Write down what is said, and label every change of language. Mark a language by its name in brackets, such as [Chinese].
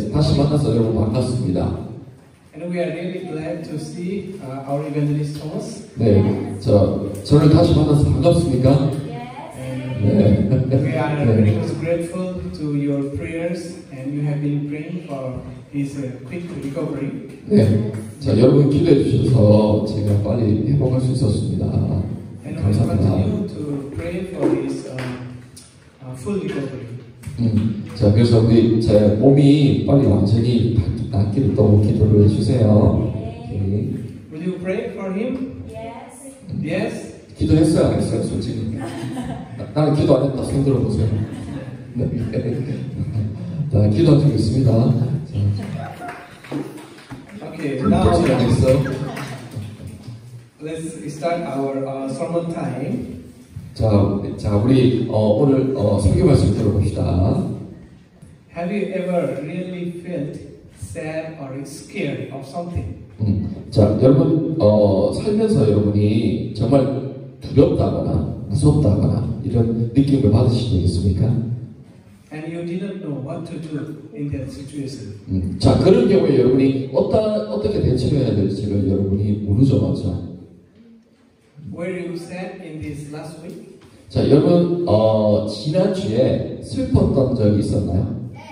[Korean] 네, 다시 만나서 여러분 반갑습니다. [English] And we are really glad to see our evangelist Thomas. [Korean] 네, 저 저를 다시 만나서 반갑습니까? [English] Yes. And 네. We are most grateful to your prayers, and you have been praying for his quick recovery. [Korean] 네, 자 여러분 기도해 주셔서 제가 빨리 회복할 수 있었습니다. [English] And [Korean] 감사합니다. [English] And we continue to pray for his full recovery. [Korean] 자 그래서 우리 제 몸이 빨리 완전히 낫기를 또 기도를 해주세요. [English] Okay. Will you pray for him? Yes. Yes. [Korean] 기도했어요, 안 했어요, 솔직히. 나는 기도 안 했다. 손 들어보세요. 네. 자 기도 드리겠습니다. [English] Okay. Now. [Korean] 기도하겠어. [English] Let's start our sermon time. [Korean] 자, 자 우리 오늘 설교 말씀 들어봅시다. [English] Have you ever really felt sad or scared of something? [Korean] 자, 여러분 살면서 여러분이 정말 두렵다거나 무섭다거나 이런 느낌을 받으신 적 있습니까? [English] And you didn't know what to do in that situation. [Korean] 자, 그런 경우에 여러분이 어떻게 대처해야 될지를 여러분이 모르죠, 맞죠? [English] Were you sad in this last week? [Korean] 자, 여러분 지난주에 슬펐던 적이 있었나요?